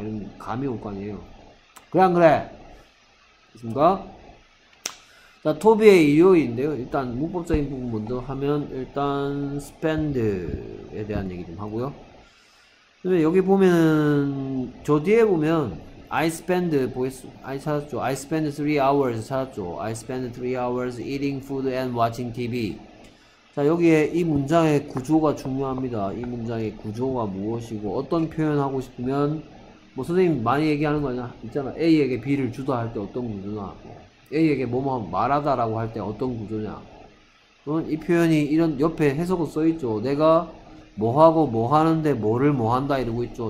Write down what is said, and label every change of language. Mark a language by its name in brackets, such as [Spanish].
[Korean] 이런 감이 올거 아니에요. 그래. 됐습니까? 자, 토비의 일요일인데요. 일단 문법적인 부분 먼저 하면 일단 spend에 대한 얘기 좀 하고요. 근데 여기 보면은 저 뒤에 보면 I 찾았죠. [English] I spend 3 hours [Korean] 찾았죠. [English] I spend 3 hours eating food and watching TV. [Korean] 자, 여기에 이 문장의 구조가 중요합니다. 이 문장의 구조가 무엇이고 어떤 표현하고 싶으면 뭐 선생님 많이 얘기하는 거 있잖아. A에게 B를 주도할 때 어떤 구조나 A에게 뭐뭐 말하다라고 할때 어떤 구조냐? 그러면 이 표현이 이런 옆에 해석을 써 있죠. 내가 뭐하고 뭐하는데 뭐를 뭐한다 이러고 있죠.